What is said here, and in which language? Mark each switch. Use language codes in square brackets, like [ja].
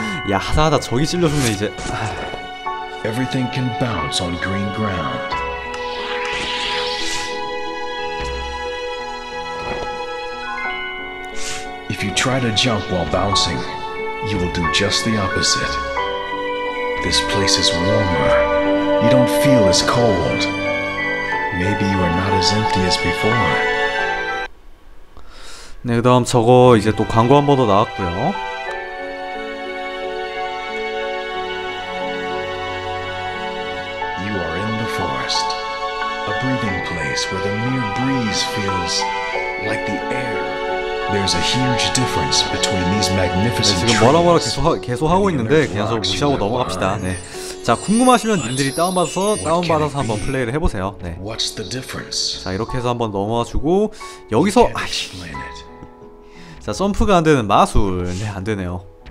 [ko] 야, 하다하다 저기 찔려줬네 이제. [en] Everything can bounce on green ground. If you try to jump while bouncing, you will do just the opposite. This place is warmer. You don't feel as cold. Maybe you are not as empty as before. [ko] 네, 그다음 저거 이제 또 광고 한 번 더 나왔고요. [en] You are in the forest. A breathing place where the mere breeze feels like the air. There's a huge difference between these magnificent trees. [ko] 지금 뭐라 뭐라 계속 하고 있는데 그냥 저 무시하고 넘어갑시다. 네. 자, 궁금하시면 님들이 다운 받아서 한번 플레이를 해 보세요. 네. 자, 이렇게 해서 한번 넘어와 주고 여기서 아이씨. 자, 점프가 안 되는 마술. 네, 안 되네요.